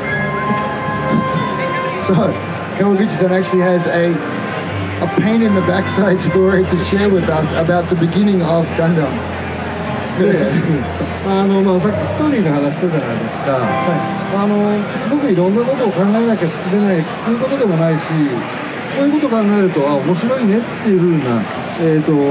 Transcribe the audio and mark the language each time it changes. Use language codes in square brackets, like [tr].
[ja] 午後のセッションでは、そういうちょっとファーストガンダム40周年ってこともあるんでね、ちょっとファーストガンダムのめんどくさい話します。So, [en] Kawaguchi-san actually has a pain in the backside story to share with us about the beginning of Gundam. [ja] で、さっきストーリーの話したじゃないですか。すごくいろんなことを考えなきゃ作れないっていうことでもないし、 こういうこと考えると、あ、面白いねっていう風な、例を